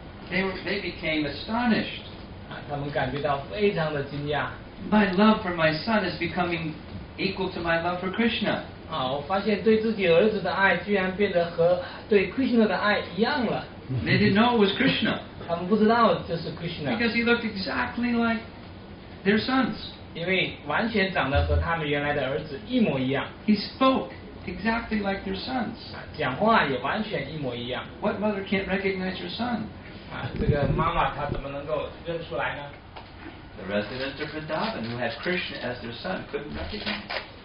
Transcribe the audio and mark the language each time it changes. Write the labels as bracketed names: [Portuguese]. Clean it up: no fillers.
[English] They became astonished. [Chinese] 他们感觉到非常的惊讶。 [English] My love for my son is becoming equal to my love for Krishna. [Chinese] 我发现对自己儿子的爱居然变得和对 Krishna的爱一样了。 [English] They didn't know it was Krishna. [Chinese] 他们不知道这是Krishna。 [English] Because he looked exactly like their sons. [Chinese] 因为完全长得和他们原来的儿子一模一样。 [English] He spoke exactly like their sons. [Chinese] 讲话也完全一模一样。 [English] What mother can't recognize your son? [Chinese] 这个妈妈她怎么能够认出来呢？ [English] The residents of Vrindavan who had Krishna as their son couldn't recognize.